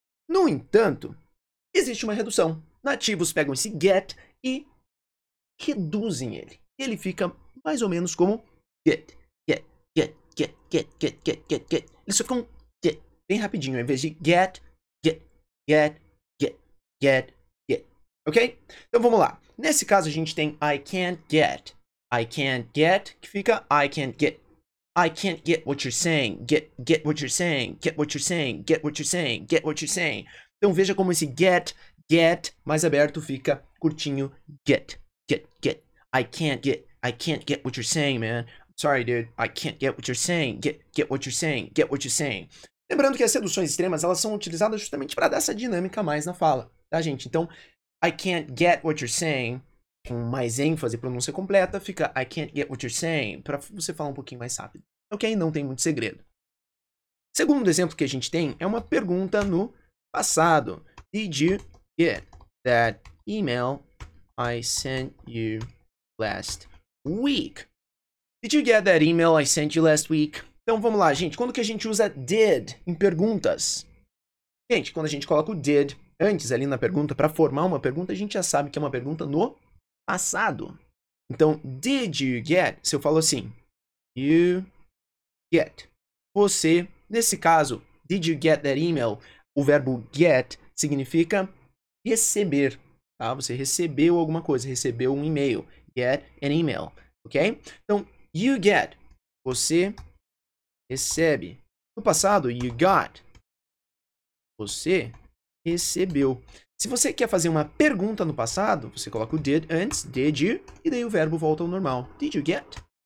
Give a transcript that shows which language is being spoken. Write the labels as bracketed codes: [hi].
[pt] No entanto, existe uma redução. Nativos pegam esse get e reduzem ele. Ele fica mais ou menos como get, get, get, get, get, get, get, get, get. Ele só fica um get, bem rapidinho, ao invés de get, get, get, get, get, get. Ok? Então, vamos lá. Nesse caso, a gente tem [en] I can't get. I can't get, que fica I can't get what you're saying, get what you're saying, get what you're saying, get what you're saying, get what you're saying. [pt] Então veja como esse get, mais aberto fica curtinho, get. [en] I can't get what you're saying, man. Sorry, dude, I can't get what you're saying, get what you're saying, get what you're saying. [pt] Lembrando que as reduções extremas, elas são utilizadas justamente para dar essa dinâmica mais na fala, tá, gente? Então, [en] I can't get what you're saying. [pt] Com mais ênfase, pronúncia completa, fica I can't get what you're saying, para você falar um pouquinho mais rápido. Ok? Não tem muito segredo. Segundo exemplo que a gente tem é uma pergunta no passado. [en] Did you get that email I sent you last week? Did you get that email I sent you last week? [pt] Então, vamos lá, gente. Quando que a gente usa did em perguntas? Gente, quando a gente coloca o did antes ali na pergunta, para formar uma pergunta, a gente já sabe que é uma pergunta no passado. Então, [en] did you get? [pt] Se eu falo assim, [en] you get. [pt] Você, nesse caso, [en] did you get that email? [pt] O verbo get significa receber, tá? Você recebeu alguma coisa, recebeu um e-mail. [en] Get an email, [pt] ok? Então, [en] you get. [pt] Você recebe. No passado, [en] you got. [pt] Você recebeu. Se você quer fazer uma pergunta no passado, você coloca o did antes, [en] did you, [pt] e daí o verbo volta ao normal. [en] Did you get?